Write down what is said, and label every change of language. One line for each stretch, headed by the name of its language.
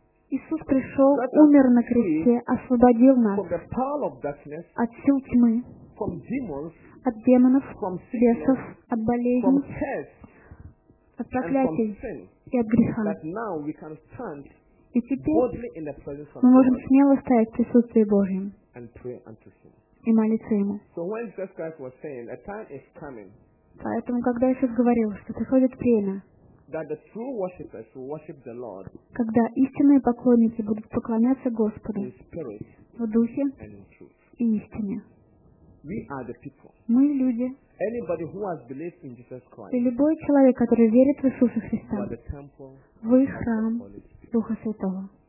Russian: Иисус пришел, умер на кресте, освободил нас от сил тьмы,
English: from demons,
Russian: от демонов,
English: from sin,
Russian: бесов, от болезней,
English: from curse,
Russian: от проклятий и от греха.
English: That now we can stand
Russian: и теперь
English: boldly in the presence of
Russian: мы можем смело стоять в присутствии Божьем
English: and pray unto him.
Russian: И молиться Ему.
English: So when Jesus Christ was saying, a time is coming,
Russian: Поэтому, когда Иисус говорил, что приходит время,
English: that the true worshippers will worship the Lord,
Russian: когда истинные поклонники будут поклоняться Господу в Духе и истине,
English: we are the people.
Russian: Мы люди,
English: Anybody who has believed in Jesus Christ,
Russian: и любой человек, который верит в Иисуса Христа,
English: the temple,
Russian: вы храм Духа Святого.